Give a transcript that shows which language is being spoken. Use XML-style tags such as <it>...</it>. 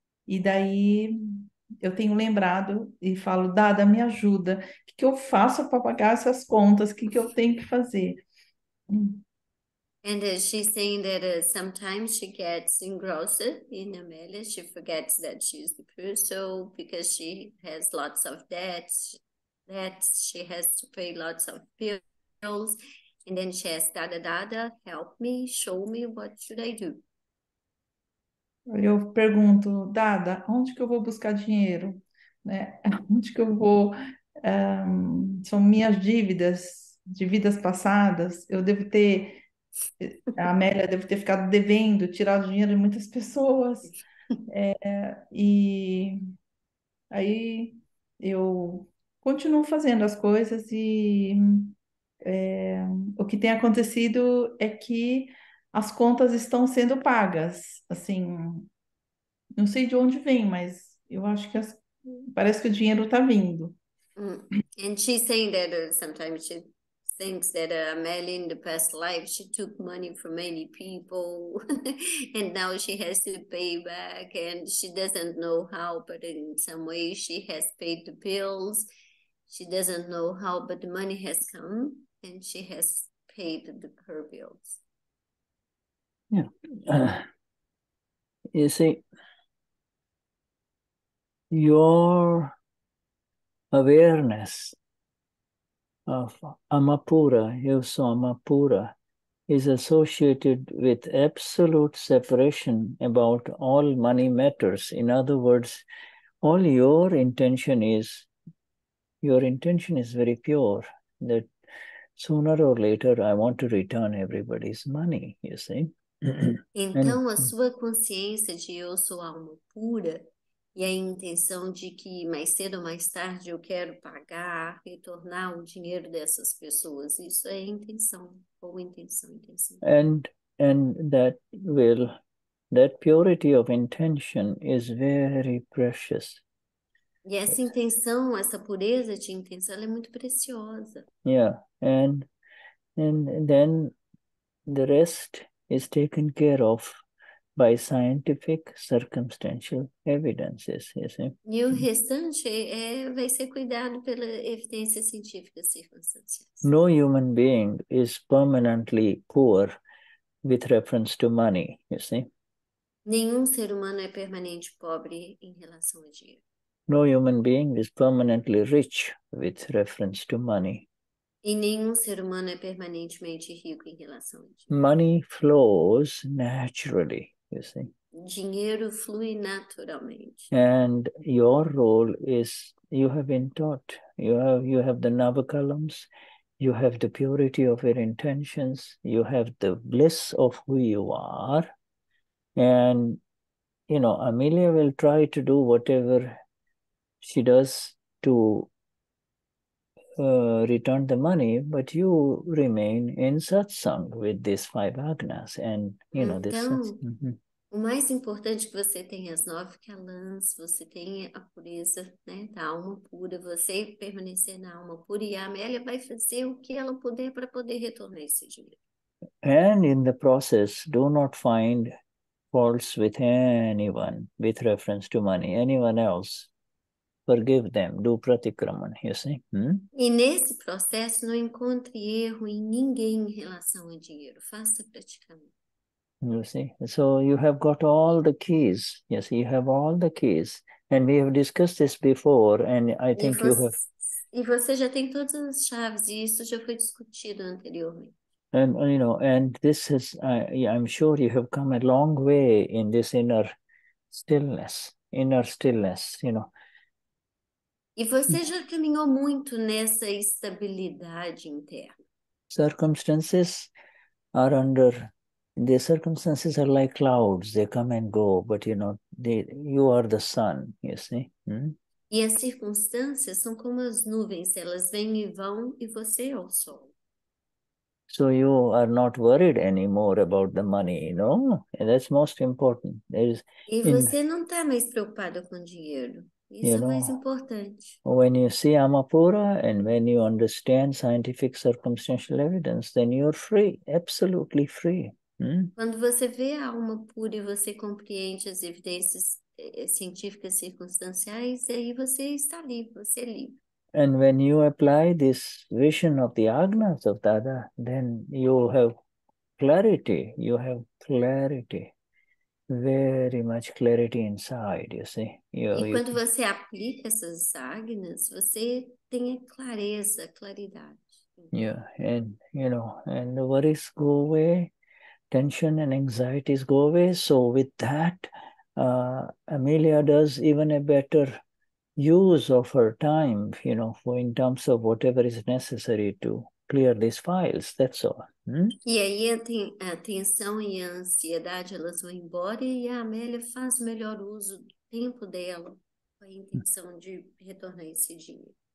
<pt>E daí eu tenho lembrado e falo, Dada, me ajuda. O que eu faço para pagar essas contas? O que eu tenho que fazer?</pt> <en>And she's saying that sometimes she gets engrossed in Amélia. She forgets that she's the person because she has lots of debts. She has to pay lots of bills. And then she asks, Dada, help me, show me, what should I do?</en> <pt>Eu pergunto, Dada, onde que eu vou buscar dinheiro? Né? Onde que eu vou... são minhas dívidas, de vidas passadas. Eu devo ter... A Amélia deve ter ficado devendo, tirado dinheiro de muitas pessoas. E aí eu continuo fazendo as coisas e... o que tem acontecido é que as contas estão sendo pagas. Assim... Não sei de onde vem, mas eu acho que parece que o dinheiro está vindo.</pt> <en>And she's saying that sometimes she thinks that Amélia in the past life she took money from many people and now she has to pay back and she doesn't know how, but in some way she has paid the bills. She doesn't know how, but the money has come and she has paid her bills. Yeah. You see, your awareness of Amapura, you saw Amapura, is associated with absolute separation about all money matters. In other words, all your intention is very pure, that sooner or later I want to return everybody's money, you see.</en> <pt>Então, a sua consciência de eu sou alma pura e a intenção de que mais cedo ou mais tarde eu quero pagar, retornar o dinheiro dessas pessoas. Isso é intenção, boa intenção.</pt> <en>And that will That purity of intention is very precious.</en> <pt>E essa intenção, essa pureza de intenção, ela é muito preciosa.</pt> <en>Yeah, and then the rest is taken care of by scientific circumstantial evidences, you see.</en> <pt>E o restante é, vai ser cuidado pela evidência científica circunstancial.</pt> <en>No human being is permanently poor with reference to money, you see.</en> <pt>Nenhum ser humano é permanente pobre em relação ao dinheiro.</pt> <en>No human being is permanently rich with reference to money.</en> <pt>E nenhum ser humano é permanentemente rico em relação a dinheiro.</pt> <en>Money flows naturally, you see.</en> <pt>Dinheiro flui naturalmente.</pt> <en>And your role is, you have been taught, you have the Navakalams, you have the purity of your intentions, you have the bliss of who you are, and, you know, Amelia will try to do whatever she does to return the money, but you remain in satsang with these five agnas, and you know this.</en> <pt>Então, o mais importante é que você tem as nove kalans, você tem a pureza, né, da alma pura, você permanecer na alma pura, e a Amélia vai fazer o que ela puder para poder retornar esse dinheiro.</pt> <en>And in the process, do not find faults with anyone with reference to money, anyone else. Forgive them, do pratikraman, you see.</en> <pt>E nesse processo, não encontre erro em ninguém em relação ao dinheiro. Faça praticamente.</pt> <en>You see, so you have got all the keys. Yes, you have all the keys. And we have discussed this before, and I think you have...</en> <pt>E você já tem todas as chaves, e isso já foi discutido anteriormente.</pt> <en>And, you know, and this is... I'm sure you have come a long way in this inner stillness, you know.</en> <pt>E você já caminhou muito nessa estabilidade interna.</pt> <en>Circumstances are under... The circumstances are like clouds. They come and go. But, you know, you are the sun, you see.</en> <pt>E as circunstâncias são como as nuvens. Elas vêm e vão, e você é o sol.</pt> <en>So you are not worried anymore about the money, you know? And that's most important.</en> <pt>Você não está mais preocupado com dinheiro. Isso,</pt> <en>you know,</en> <pt>é mais importante.</pt> <en>When you see Amapura and when you understand scientific circumstantial evidence, then you're free, absolutely free.</en> <pt>Quando você vê a alma pura e você compreende as evidências científicas circunstanciais, aí você está livre, você é livre.</pt> <en>And when you apply this vision of the agnas of Dada, then you have clarity. Very much clarity inside, you see.</en> <pt>E quando você aplica essas agnas, você tem a clareza, a claridade.</pt> <en>Yeah, and, you know, and the worries go away, tension and anxieties go away. So with that, Amelia does even a better use of her time, you know, for in terms of whatever is necessary to clear these files, that's all.</en> <pt>E aí a tensão e a ansiedade, elas vão embora, e a Amélia faz melhor uso do tempo dela com a intenção de retornar esse dinheiro.</pt>